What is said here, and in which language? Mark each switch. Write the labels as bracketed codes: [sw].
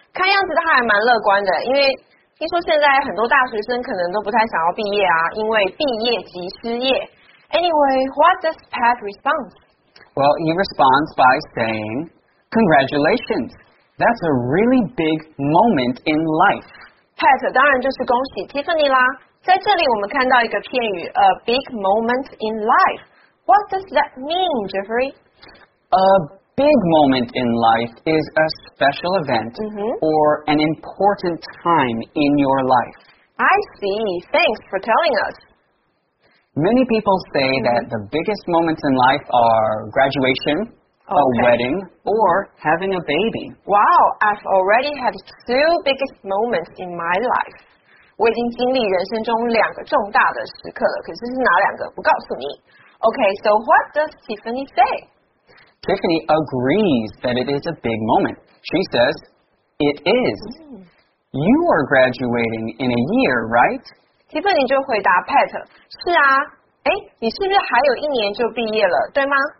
[zh] 看样子他还蛮乐观的，因为听说现在很多大学生可能都不太想要毕业啊，因为毕业即失业。 [en] Anyway, what does Pat respond? Well, he responds by saying, Congratulations, that's a really big moment in life. [zh] Pat 当然就是恭喜 Tiffany 啦。在这里我们看到一个片语 , [en] a big moment in life. What does that mean, Jeffrey? A big moment in life is a special event、mm-hmm. or an important time in your life. I see. Thanks for telling us. Many people say、mm-hmm. that the biggest moments in life are graduation,、okay. a wedding, or having a baby. Wow, I've already had two biggest moments in my life. [zh] 我已经经历人生中两个重大的时刻了，可是是哪两个不告诉你。 [en] Okay, so what does Tiffany say? Tiffany agrees that it is a big moment. She says, it is.、Mm-hmm. You are graduating in a year, right? [zh] Tiffany 就回答 Pat, 是啊，诶，你是不是还有一年就毕业了，对吗？